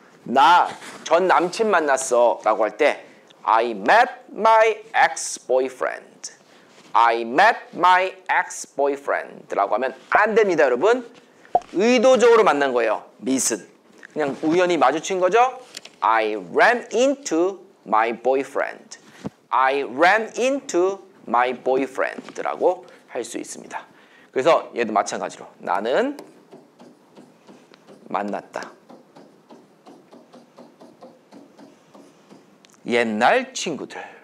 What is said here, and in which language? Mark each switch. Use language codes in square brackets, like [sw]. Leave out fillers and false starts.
[ko] 나 전 남친 만났어 라고 할 때 [en] I met my ex-boyfriend. I met my ex-boyfriend [ko] 라고 하면 안 됩니다 여러분. 의도적으로 만난 거예요. meet은 그냥 우연히 마주친 거죠. [en] I ran into my boyfriend. I ran into my boyfriend [ko] 라고 할 수 있습니다. 그래서 얘도 마찬가지로 나는 만났다 옛날 친구들.